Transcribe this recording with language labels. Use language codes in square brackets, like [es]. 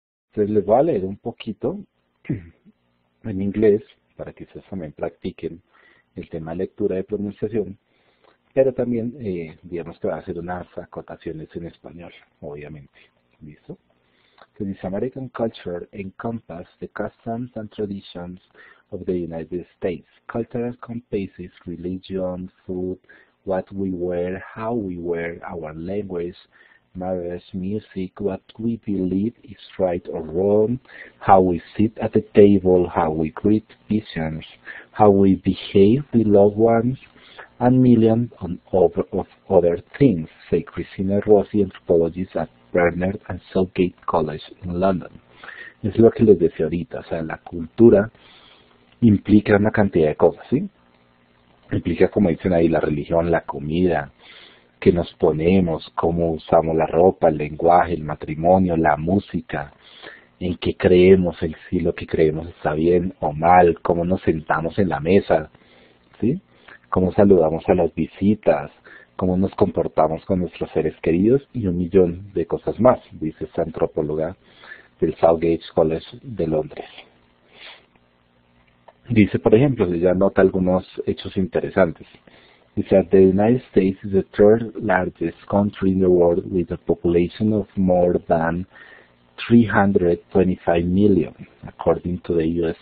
[es] Entonces les voy a leer un poquito en inglés para que ustedes también practiquen el tema de lectura de pronunciación, pero también digamos que va a hacer unas acotaciones en español, obviamente. ¿Listo? [en] This American culture encompasses the customs and traditions of the United States. Culture encompasses religion, food, what we wear, how we wear, our language, marriage, music, what we believe is right or wrong, how we sit at the table, how we greet visitors, how we behave with loved ones, and millions of other things, say Christina Rossi, anthropologist at Barnard and Southgate College en London. [es] Es lo que les decía ahorita, o sea, la cultura implica una cantidad de cosas, ¿sí? Implica, como dicen ahí, la religión, la comida, qué nos ponemos, cómo usamos la ropa, el lenguaje, el matrimonio, la música, en qué creemos, en si lo que creemos está bien o mal, cómo nos sentamos en la mesa, ¿sí? Cómo saludamos a las visitas, cómo nos comportamos con nuestros seres queridos y un millón de cosas más, dice esta antropóloga del Southgate College de Londres. Dice, por ejemplo, ella nota algunos hechos interesantes. [en] Dice, the United States is the third largest country in the world with a population of more than 325 million, according to the U.S.